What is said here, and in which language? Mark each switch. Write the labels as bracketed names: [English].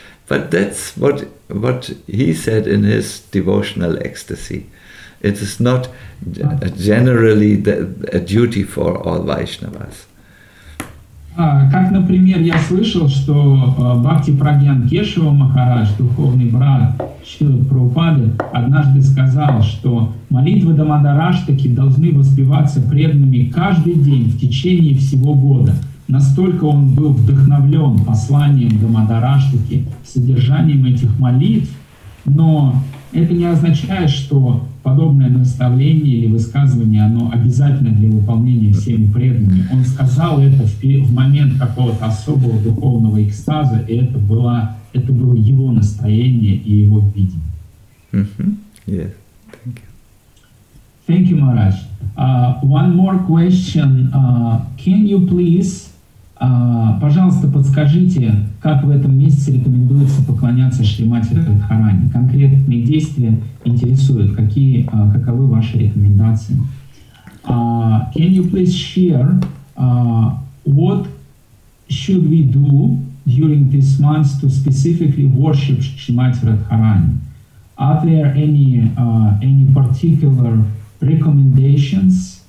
[English] But that's what he said in his devotional ecstasy. It is not generally a duty for all Vaishnavas. [Russian] Как, например, я слышал, что Бхакти Прагьян Кешава Махарадж, духовный брат Шрилы Прабхупады, однажды сказал, что молитвы Дамодараштаки должны воспеваться преданными каждый день в течение всего года. Настолько он был вдохновлен посланием Дамодараштаки, содержанием этих молитв, но это не означает, что подобное наставление или высказывание, оно обязательно для выполнения всеми преданными. Он сказал это в момент какого-то особого духовного экстаза, и это было его настроение и его видение. [English] Mm-hmm. Yeah. Thank you. Thank you, Maharaj. One more question. Can you please, [Russian] пожалуйста, подскажите, как в этом месяце рекомендуется поклоняться Шримати Радхарани? Конкретные действия интересуют. Какие, каковы ваши рекомендации? [English] Can you please share what should we do during this month to specifically worship Шримати Радхарани? Are there any particular recommendations?